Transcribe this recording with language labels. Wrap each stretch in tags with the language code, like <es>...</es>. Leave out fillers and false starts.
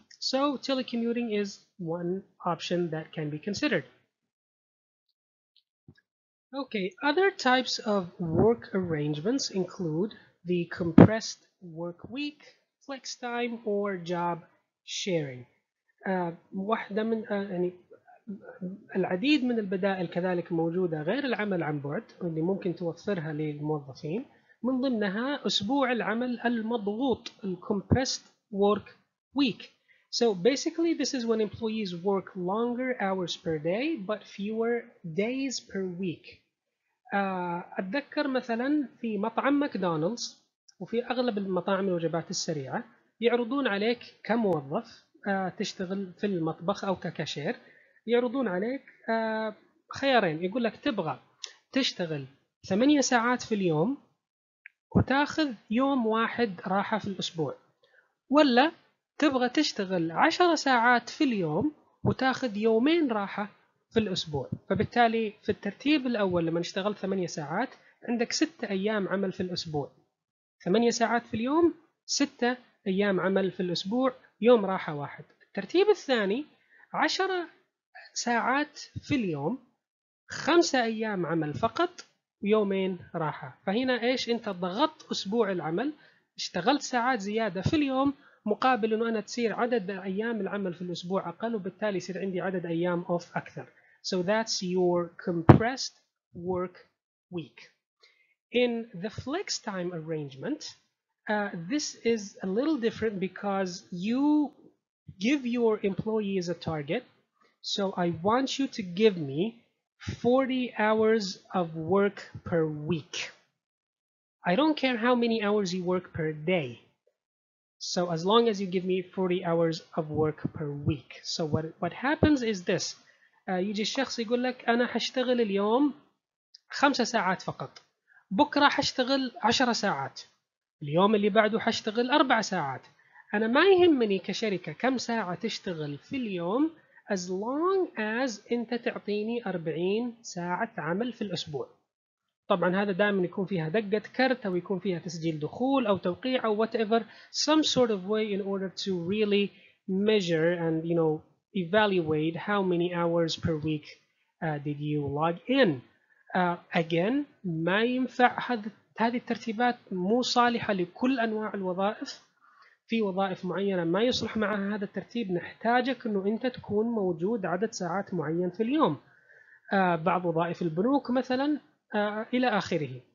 <en>So telecommuting is one option that can be considered. Okay, other types of work arrangements include the compressed work week, flex time, or job sharing.</en> <ar>واحدة من يعني العديد من البدائل كذلك موجودة غير العمل عن بعد اللي ممكن توفرها للموظفين، من ضمنها أسبوع العمل المضغوط الـ compressed work week.</ar> <en>So basically, this is when employees work longer hours per day but fewer days per week.</en> <ar>أتذكر مثلا في مطعم ماكدونالدز وفي أغلب المطاعم الوجبات السريعة يعرضون عليك كموظف تشتغل في المطبخ أو ككاشير، يعرضون عليك خيارين، يقول لك تبغى تشتغل 8 ساعات في اليوم وتاخذ يوم واحد راحة في الأسبوع، ولا تبغى تشتغل 10 ساعات في اليوم وتاخذ يومين راحة في الأسبوع. فبالتالي في الترتيب الأول لما اشتغلت 8 ساعات عندك 6 أيام عمل في الأسبوع، 8 ساعات في اليوم، 6 أيام عمل في الأسبوع، يوم راحة واحد. الترتيب الثاني 10 ساعات في اليوم، 5 أيام عمل فقط، يومين راحة. فهنا إيش؟ أنت ضغطت أسبوع العمل، اشتغلت ساعات زيادة في اليوم مقابل إنه أنا تصير عدد أيام العمل في الأسبوع أقل، وبالتالي يصير عندي عدد أيام أوف أكثر.</ar> <en>So that's your compressed work week. In the flex time arrangement, this is a little different because you give your employees a target. So I want you to give me 40 hours of work per week. I don't care how many hours you work per day. So as long as you give me 40 hours of work per week. So what happens is this.</en> <ar>يجي الشخص يقول لك أنا هشتغل اليوم 5 ساعات فقط، بكرة هشتغل 10 ساعات، اليوم اللي بعده هشتغل 4 ساعات. أنا ما يهمني كشركة كم ساعة تشتغل في اليوم،</ar> <en>as long as</en> <ar>أنت تعطيني 40 ساعة عمل في الأسبوع. طبعا هذا دائما يكون فيها دقة كرت أو يكون فيها تسجيل دخول أو توقيع أو</ar> <en>whatever, some sort of way in order to really measure and you know evaluate how many hours per week did you log in. Again,</en> <ar>ما ينفع هذه الترتيبات مو صالحة لكل أنواع الوظائف. في وظائف معينة ما يصلح معها هذا الترتيب، نحتاجك أنه أنت تكون موجود عدد ساعات معين في اليوم. بعض وظائف البنوك مثلا إلى آخره.</ar>